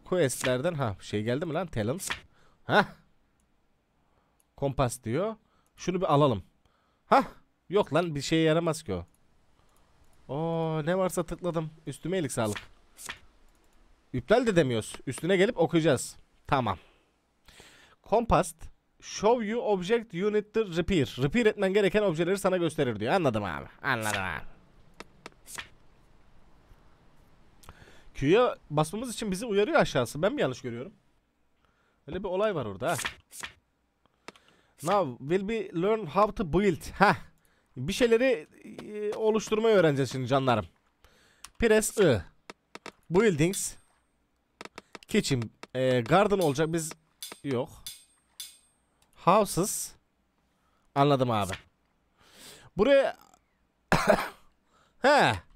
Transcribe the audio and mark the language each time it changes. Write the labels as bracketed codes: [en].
[tr] Questlerden, ha şey geldi mi lan, talents. Hah. Kompas diyor. Şunu bir alalım. Hah. Yok lan, bir şeye yaramaz ki o. Oo, ne varsa tıkladım. Üstüme iyilik sağlık. İptal de demiyoruz. Üstüne gelip okuyacağız. Tamam. Kompas. [en] Show you object you need to repair. [tr] Repair etmen gereken objeleri sana gösterir diyor. Anladım abi. Anladım abi. Q'ya basmamız için bizi uyarıyor aşağısı. Ben mi yanlış görüyorum? Öyle bir olay var orada. [en] Now will be learn how to build. Heh. [tr] Bir şeyleri oluşturmayı öğreneceğiz şimdi canlarım. [en] Press I. [tr] Buildings. Kitchen. Garden olacak biz. Yok. Houses. Anladım abi. Buraya. He.